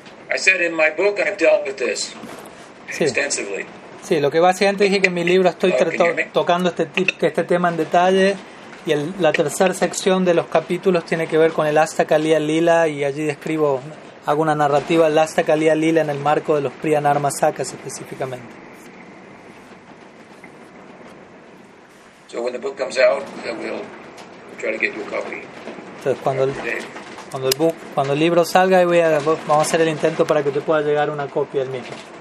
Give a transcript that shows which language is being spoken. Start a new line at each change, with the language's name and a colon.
English: I said in my book I've dealt with this extensively.
Spanish: Sí, lo que básicamente dije que en mi libro estoy tocando este tema en detalle. Y la tercera sección de los capítulos tiene que ver con el Astaka Liya Lila, y allí describo, hago una narrativa del Astaka Liya Lila en el marco de los Priyanarma Sakas específicamente.
English: So when the book comes out, we'll try to get you a copy.
Spanish: Entonces cuando el libro salga, vamos a hacer el intento para que te pueda llegar una copia del mismo.